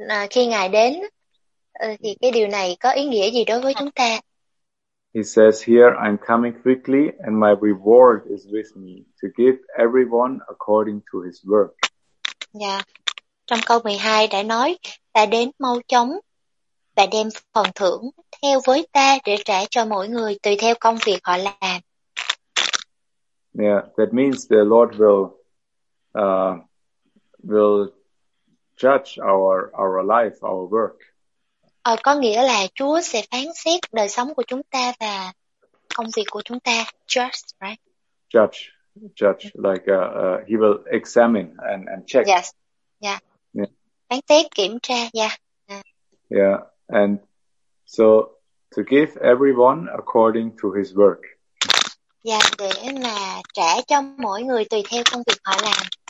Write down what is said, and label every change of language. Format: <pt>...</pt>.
<vi>Khi Ngài đến thì cái điều này có ý nghĩa gì đối với chúng ta?</vi> <en>He says here, I'm coming quickly and my reward is with me to give everyone according to his work. Yeah.</en> <vi>Trong câu 12 đã nói, ta đến mau chóng và đem phần thưởng theo với ta để trả cho mỗi người tùy theo công việc họ làm.</vi> <en>Yeah, that means the Lord will judge our life, our work.</en> <vi>Có nghĩa là Chúa sẽ phán xét đời sống của chúng ta và công việc của chúng ta.</vi> <en>Judge, right? Judge, like he will examine and check.</en> <vi>Yes, yeah. Phán xét, kiểm tra, yeah.</vi> <en>Yeah, and so to give everyone according to his work.</en> <vi>Yeah, để mà trả cho mỗi người tùy theo công việc họ làm.</vi>